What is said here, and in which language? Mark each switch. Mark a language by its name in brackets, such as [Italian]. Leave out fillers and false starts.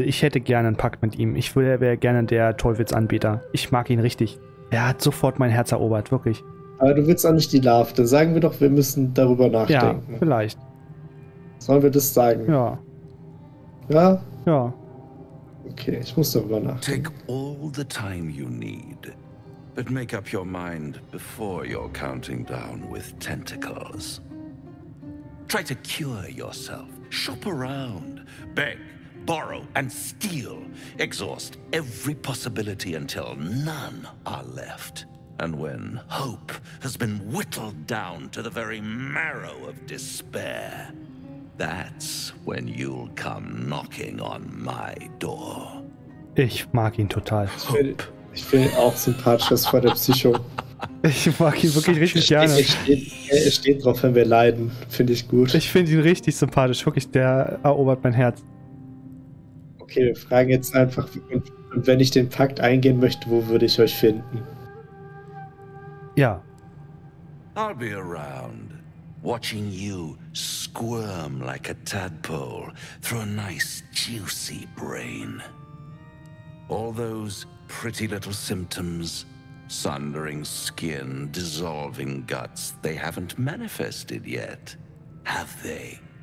[German] Ich hätte gerne einen Pakt mit ihm. Ich wäre gerne der Teufelsanbieter. Ich mag ihn richtig. Er hat sofort mein Herz erobert, wirklich. Aber du willst auch nicht die Larve. Dann sagen wir doch, wir müssen darüber nachdenken. Ja, vielleicht. Sollen wir das sagen? Ja. Ja? Ja. Okay, ich muss darüber nachdenken. [English] Take all the time you need. But make up your mind before you're counting down with tentacles. Try to cure yourself. Shop around. Beg. Borrow and steal. Exhaust every possibility until none are left. And when hope has been whittled down to the very marrow of despair, that's when you'll come knocking on my door. [German] Ich mag ihn total. Ich bin auch sympathisch, das war der Psycho. Ich mag ihn wirklich richtig gerne. Er steht drauf, wenn wir leiden. Finde ich gut. Ich finde ihn richtig sympathisch. Wirklich, der erobert mein Herz. Okay, wir fragen jetzt einfach, und wenn ich den Pakt eingehen möchte, wo würde ich euch finden? Ja. [English] I'll be around, watching you squirm like a tadpole through a nice juicy brain. All those pretty little symptoms, sundering skin, dissolving guts, they haven't manifested yet, have they?